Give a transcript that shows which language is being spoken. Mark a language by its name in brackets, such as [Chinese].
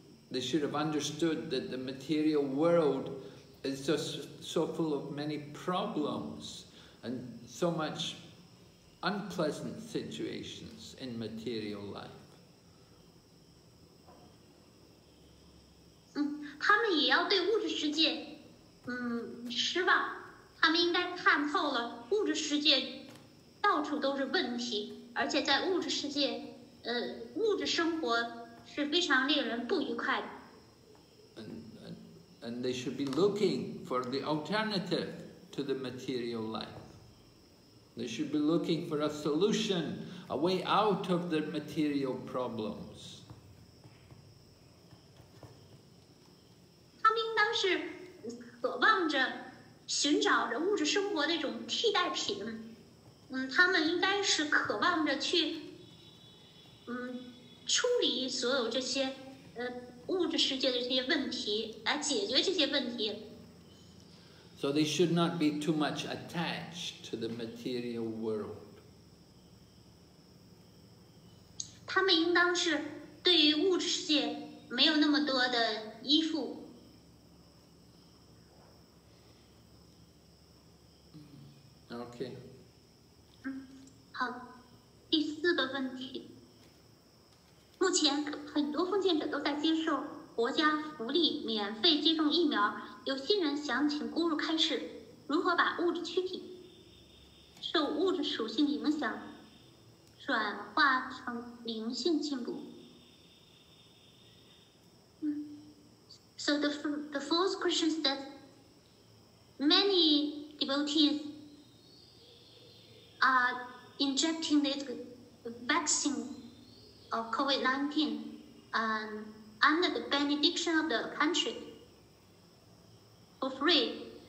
[English] They should have understood that the material world is just so full of many problems and so much unpleasant situations in material life. [Chinese] 他们也要对物质世界，失望。他们应该看透了物质世界。到处都是问题，而且在物质世界，物质生活是非常令人不愉快的。 [English] And they should be looking for the alternative to the material life. They should be looking for a solution, a way out of their material problems. [Chinese] 他们应当是渴望着、寻找着物质生活的一种替代品。他们应该是渴望着去，处理所有这些，物质世界的这些问题，来解决这些问题。 [English] So they should not be too much attached to the material world. [Chinese] 他们应当是对于物质世界没有那么多的依附。 [English] OK。 [Chinese] 好，第四个问题。目前很多奉献者都在接受国家福利免费接种疫苗，有些人想请咕噜开示，如何把物质躯体受物质属性影响转化成灵性进步。 [English] So the fourth question is that many devotees are injecting this vaccine of COVID-19 under the benediction of the country for free.